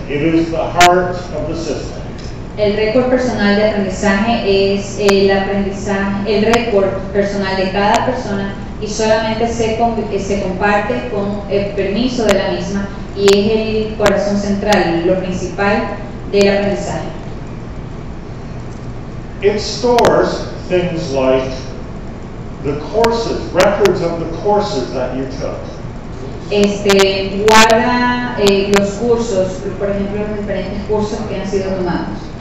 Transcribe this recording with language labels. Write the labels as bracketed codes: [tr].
[en] It is the heart of the system. [es] El récord personal de aprendizaje es el récord personal de cada persona y solamente se comparte con el permiso de la misma, y es el corazón central, lo principal del aprendizaje. [en] It stores things like the courses, records of the courses that you took. [es] Guarda los cursos, por ejemplo, los diferentes cursos que han sido tomados.